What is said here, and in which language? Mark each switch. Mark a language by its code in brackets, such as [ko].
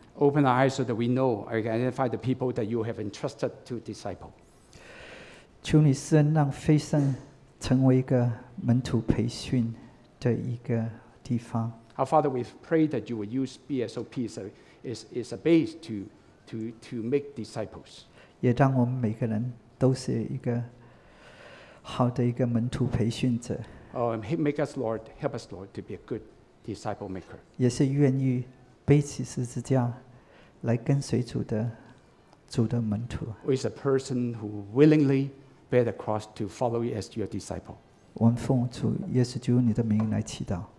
[en] Open our eyes so that we know or identify the people that you have entrusted to disciple. [zh] 求你施恩，让飞圣成为一个门徒培训的一个。 [en] Our Father, we pray that you will use BSOP as a base to make disciples. [zh] 也让我们每个人都是一个好的一个门徒培训者。 [en] Oh, make us, Lord, help us, Lord, to be a good disciple maker. [zh] 也是愿意背起十字架来跟随主的门徒。 [en] Who is a person who willingly bear the cross to follow you as your disciple? [zh] 我们奉主耶稣基督你的名来祈祷。